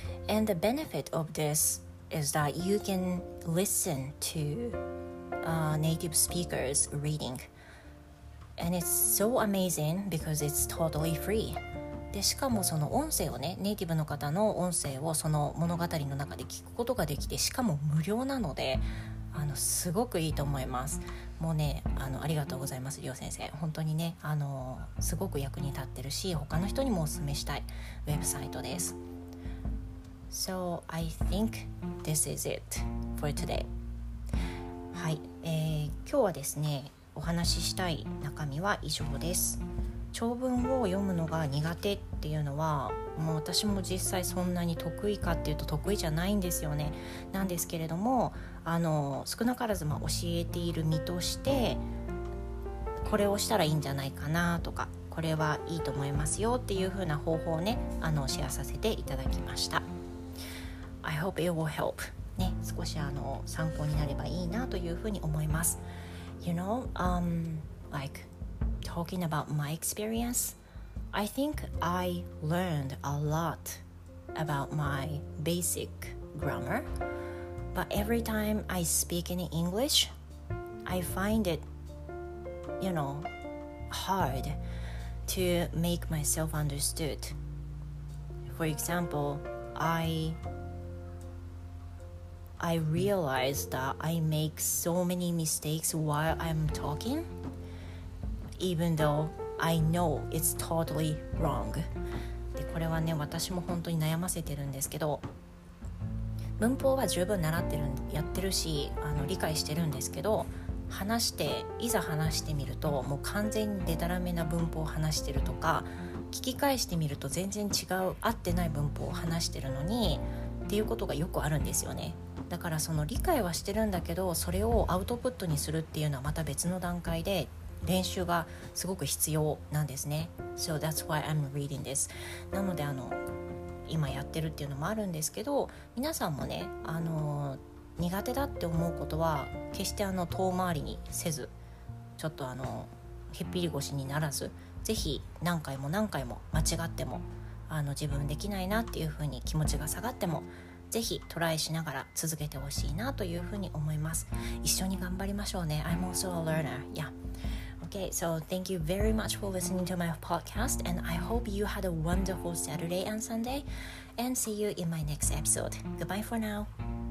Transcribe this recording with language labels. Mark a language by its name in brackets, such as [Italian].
[English] And the benefit of this is that you can listen to native speakers reading. And it's so amazing because it's totally free. [Japanese] でしかもその音声をね、ネイティブの方の音声をその物語の中で聞くことができて、しかも無料なので、すごくいいと思います。もうね、ありがとうございます、リオ先生。本当にね、すごく役に立ってるし、他の人にもおすすめしたいウェブサイトです。 [English] So, I think this is it for today. [Japanese] はい、今日はですね、お話ししたい中身は以上です。長文を読むのが苦手っていうのは、もう私も実際そんなに得意かっていうと得意じゃないんですよね。なんですけれども、少なからずまあ教えている身として、これをしたらいいんじゃないかなとか、これはいいと思いますよっていう風な方法をね、シェアさせていただきました。 [English] I hope it will help [Japanese] ね、少し参考になればいいなという風に思います。 [English] You know, like talking about my experience, I think I learned a lot about my basic grammar, but every time I speak in English, I find it, you know, hard to make myself understood. For example, I realized that I make so many mistakes while I'm talking. Even though I know it's totally wrong. [Japanese] で、これはね、私も本当に悩ませてるんですけど、文法は十分習ってる、やってるし、理解してるんですけど、話して、いざ話してみると、もう完全にデタラメな文法を話してるとか、聞き返してみると全然違う、合ってない文法を話してるのに、っていうことがよくあるんですよね。だからその理解はしてるんだけど、それをアウトプットにするっていうのはまた別の段階で、練習がすごく必要なんですね。 [English] So that's why I'm reading this. [Japanese] なので今やってるっていうのもあるんですけど、皆さんもね、苦手だって思うことは決して遠回りにせず、ちょっとへっぴり腰にならず、ぜひ何回も何回も間違っても、自分できないなっていう風に気持ちが下がっても、ぜひトライしながら続けてほしいなというふうに思います。一緒に頑張りましょうね。 [English] I'm also a learner. Yeah. Okay, so thank you very much for listening to my podcast, and I hope you had a wonderful Saturday and Sunday, and see you in my next episode. Goodbye for now.